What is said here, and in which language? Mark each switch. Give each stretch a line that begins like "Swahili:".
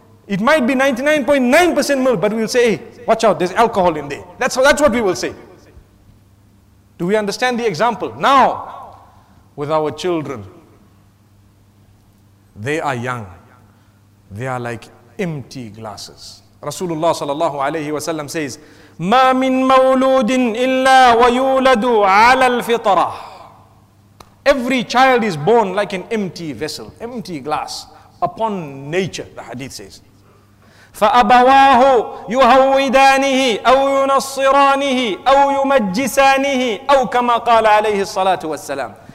English: It might be 99.9% milk, but we'll say, hey, watch out, there's alcohol in there. That's what we will say. Do we understand the example? Now, with our children, they are young. They are like empty glasses.
Arabic: Rasulullah sallallahu alayhi wa sallam says, مَا مِن مَوْلُودٍ إِلَّا وَيُولَدُ عَلَى الْفِطْرَةِ.
English: Every child is born like an empty vessel, empty glass, upon nature, the hadith says.
Arabic: فَأَبَوَاهُ يُهَوِّدَانِهِ أَوْ يُنَصِّرَانِهِ أَوْ يُمَجِّسَانِهِ أَوْ كَمَا قَالَ عَلَيْهِ الصَّلَاةُ وَالسَّلَامُ.